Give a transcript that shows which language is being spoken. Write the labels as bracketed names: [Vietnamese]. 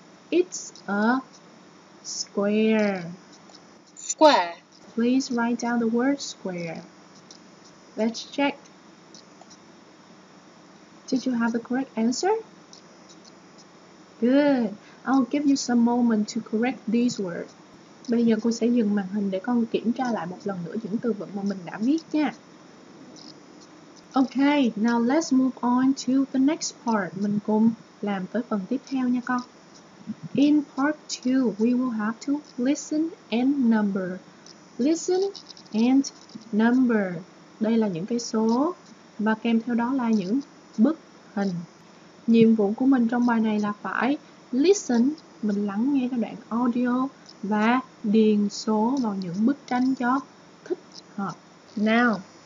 [English] It's a square. Square. Please write down the word square. Let's check. Did you have the correct answer? Good. I'll give you some moment to correct these words. [Vietnamese] Bây giờ cô sẽ dừng màn hình để con kiểm tra lại một lần nữa những từ vựng mà mình đã viết nha. [English] Okay, now let's move on to the next part. [Vietnamese] Mình cùng làm tới phần tiếp theo nha con. [English] In part 2, we will have to listen and number. Listen and number. [Vietnamese] Đây là những cái số và kèm theo đó là những bức hình. Nhiệm vụ của mình trong bài này là phải listen, mình lắng nghe cái đoạn audio và điền số vào những bức tranh cho thích hợp. Now,